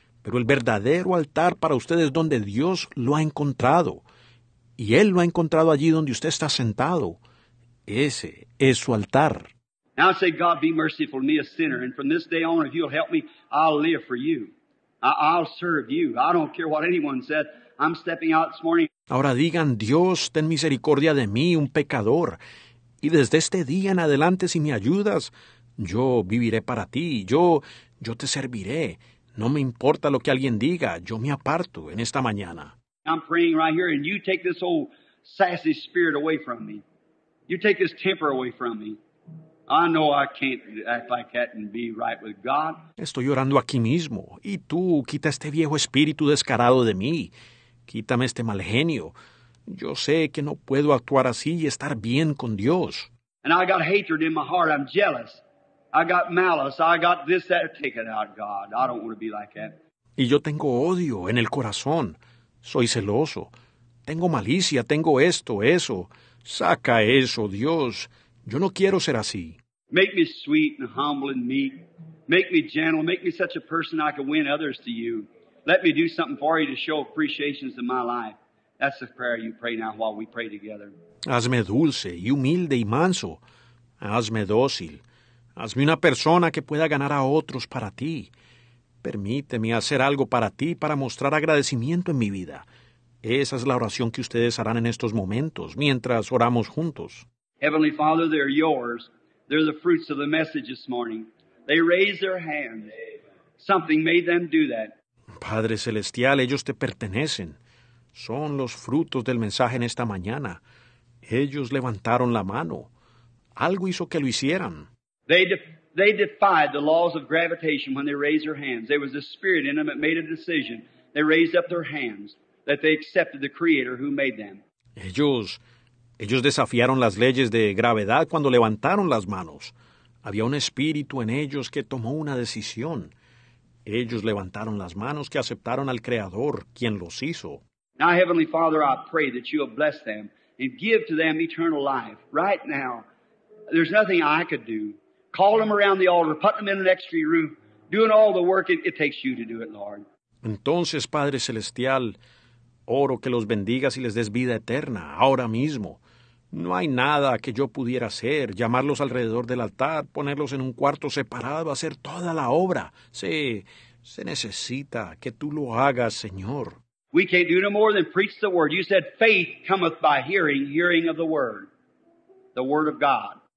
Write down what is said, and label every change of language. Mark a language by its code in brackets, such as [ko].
[es] Pero el verdadero altar para usted es donde Dios lo ha encontrado. Y Él lo ha encontrado allí donde usted está sentado. Ese es su altar. [en] Now say, God, be merciful to me, a sinner, and from this day on, if you'll help me, I'll live for you. I'll serve you. I don't care what anyone said. I'm stepping out this morning. [es] Ahora digan, Dios, ten misericordia de mí, un pecador. Y desde este día en adelante, si me ayudas, yo viviré para ti. Yo te serviré. No me importa lo que alguien diga. Yo me aparto en esta mañana. [en] I'm praying right here, and you take this old sassy spirit away from me. You take this temper away from me. I know I can't act like that and be right with God. [es] Estoy orando aquí mismo. Y tú, quita este viejo espíritu descarado de mí. Quítame este mal genio. Yo sé que no puedo actuar así y estar bien con Dios. [en] And I got hatred in my heart. I'm jealous. I got malice. I got this, that. Take it out, God. I don't want to be like that. [es] Y yo tengo odio en el corazón. Soy celoso. Tengo malicia. Tengo esto, eso. Saca eso, Dios. Yo no quiero ser así. [en] Make me sweet and humble and meek. Make me gentle. Make me such a person I can win others to you. Let me do something for you to show appreciations in my life. That's the prayer you pray now while we pray together. [es] Hazme dulce y humilde y manso. Hazme dócil. Hazme una persona que pueda ganar a otros para ti. Permíteme hacer algo para ti para mostrar agradecimiento en mi vida. Esa es la oración que ustedes harán en estos momentos, mientras oramos juntos. [en] Heavenly Father, they're yours. They're the fruits of the message this morning. They raise their hands. Something made them do that. [es] Padre Celestial, ellos te pertenecen. Son los frutos del mensaje en esta mañana. Ellos levantaron la mano. Algo hizo que lo hicieran. [en] They defied the laws of gravitation when they raised their hands. There was a spirit in them that made a decision. They raised up their hands that they accepted the Creator who made them. [es] Ellos desafiaron las leyes de gravedad cuando levantaron las manos. Había un espíritu en ellos que tomó una decisión. Ellos levantaron las manos que aceptaron al Creador, quien los hizo. [en] Now, Heavenly Father, I pray that you will bless them and give to them eternal life right now. There's nothing I could do. Call them around the altar, put them in an extra room, doing all the work it takes you to do it, Lord. [es] Entonces, Padre Celestial, oro que los bendigas y les des vida eterna ahora mismo. No hay nada que yo pudiera hacer, llamarlos alrededor del altar, ponerlos en un cuarto separado, hacer toda la obra. Se necesita que tú lo hagas, Señor. [en] We can't do no more than preach the word. You said faith cometh by hearing, hearing of the word of God.